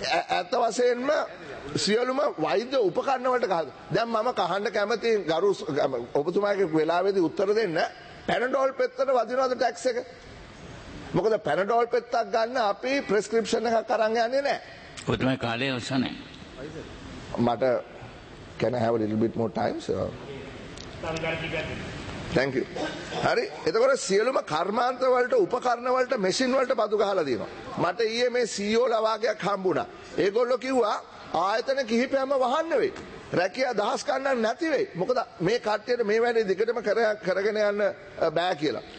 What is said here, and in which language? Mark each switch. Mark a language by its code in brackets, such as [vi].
[si] ඇත්ත වශයෙන්ම සියලුම වෛද්‍ය උපකරණ වලට ගහලා. දැන් මම කහන්න කැමති ගරු ඔබතුමාගේ වෙලාවේදී උත්තර දෙන්න, පැනඩෝල් පෙත්තට වදිනවද ටැක්ස් එක? මොකද පැනඩෝල් පෙත්තක් ගන්න අපි ප්‍රෙස්ක්‍රිප්ෂන් එකක් අරන් යන්නේ නැහැ. ඔබතුමාගේ කාලය ඔසනේ. මට [en] can I have a little bit more time sir? Thank you. [si] හරි, එතකොට සියලුම කර්මාන්ත වලට උපකරණ වලට මැෂින් වලට බදු ගහලා දිනවා. මට ඊයේ මේ CEO ලවාගයක් හම්බුණා. ඒගොල්ලෝ කිව්වා ආයතන කිහිපයම වහන්න වෙයි. රැකියා දහස් ගණන් නැති වෙයි. මොකද මේ කට්ටියට මේ වැඩේ දිගටම කරගෙන යන්න බෑ කියලා.